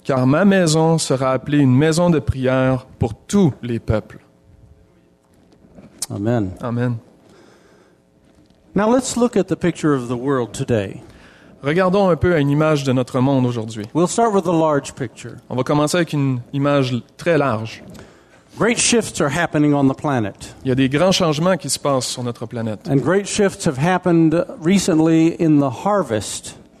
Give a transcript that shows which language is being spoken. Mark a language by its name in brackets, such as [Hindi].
[French] Car ma maison sera appelée une maison de prière pour tous les peuples. [English] Amen. [French] Amen. [English] Now let's look at the picture of the world today. [French] Regardons un peu à une image de notre monde aujourd'hui. [English] We'll start with the large picture. [French] On va commencer avec une image très large. [English] Great shifts are happening on the planet. [French] Il y a des grands changements qui se passent sur notre planète. [English] And great shifts have happened recently in the harvest.